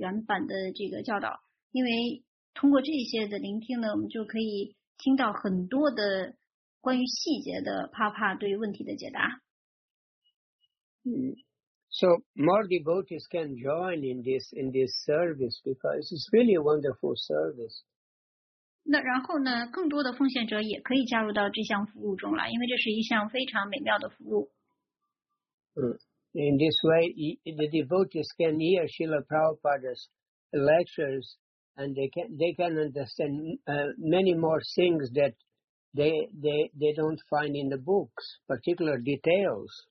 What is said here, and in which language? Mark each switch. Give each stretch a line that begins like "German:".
Chinese: 那么我说呢，阮先生法布现在做的一个像一个服务，就是他在翻译舒尔帕帕的这个课程，还有这个就反正跟舒尔帕帕相关的这些教导的这些录音的这个课程，然后阿叔就说呢，那我们要大力的去推广您所翻译出来的这些课件，然后通过微信呢或者通过各种各样的平台来让奉献者能够聆听到舒尔帕帕的原版的这个教导。因为通过这些的聆听呢，我们就可以听到很多的关于细节的帕帕对问题的解答。
English: So more devotees can join in this service, because it's really a wonderful service.
Chinese: 那然后呢，更多的奉献者也可以加入到这项服务中来，因为这是一项非常美妙的服务。
English: In this way, the devotees can hear Srila Prabhupada's lectures. And they can understand many more things that they don't find in the books, particular details.